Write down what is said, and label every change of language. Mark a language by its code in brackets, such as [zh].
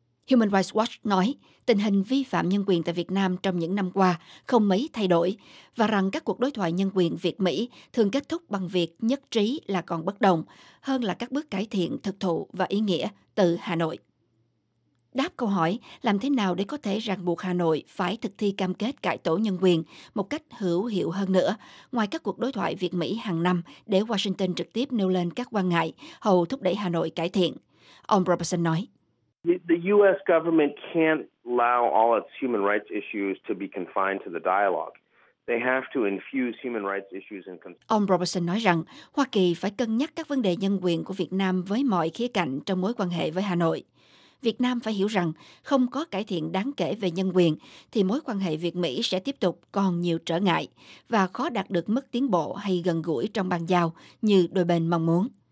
[vi] Human Rights Watch nói, tình hình vi phạm nhân quyền tại Việt Nam trong những năm qua không mấy thay đổi, và rằng các cuộc đối thoại nhân quyền Việt-Mỹ thường kết thúc bằng việc nhất trí là còn bất đồng, hơn là các bước cải thiện thực thụ và ý nghĩa từ Hà Nội. Đáp câu hỏi, làm thế nào để có thể ràng buộc Hà Nội phải thực thi cam kết cải tổ nhân quyền một cách hữu hiệu hơn nữa, ngoài các cuộc đối thoại Việt-Mỹ hàng năm để Washington trực tiếp nêu lên các quan ngại hầu thúc đẩy Hà Nội cải thiện? Ông Robertson nói, [en] the US government can't allow all its human rights issues to be confined to the dialogue. They have to infuse human rights issues in. [vi] Ông Robertson nói rằng Hoa Kỳ phải cân nhắc các vấn đề nhân quyền của Việt Nam với mọi khía cạnh trong mối quan hệ với Hà Nội. Việt Nam phải hiểu rằng không có cải thiện đáng kể về nhân quyền thì mối quan hệ Việt-Mỹ sẽ tiếp tục còn nhiều trở ngại và khó đạt được mức tiến bộ hay gần gũi trong bàn giao như đôi bên mong muốn.